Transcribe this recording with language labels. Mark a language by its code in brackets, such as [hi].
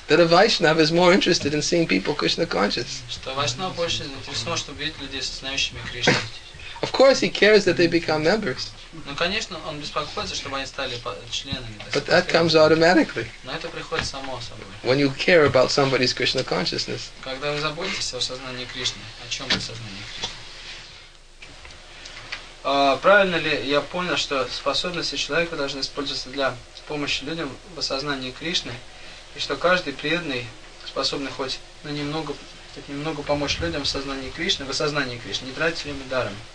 [en] That a Vaishnava is more interested in seeing people Krishna conscious. [ru] Что Вайшнав больше заинтересован, чтобы видеть людей, сознающими Кришну. [en] Of course he cares that they become members. [ru] Ну конечно, он беспокоится, чтобы они стали членами. [en] But that comes automatically. [ru] Но это приходит само собой. [en] When you care about somebody's Krishna consciousness. [ru] Когда вы заботитесь о сознании Кришны, о чем это сознание Кришны? Правильно ли я понял, что способности человека должны использоваться для помощи людям в осознании Кришны, и что каждый преданный, способный хоть на немного, хоть немного помочь людям в осознании Кришны, в осознании Кришны, не тратить время даром.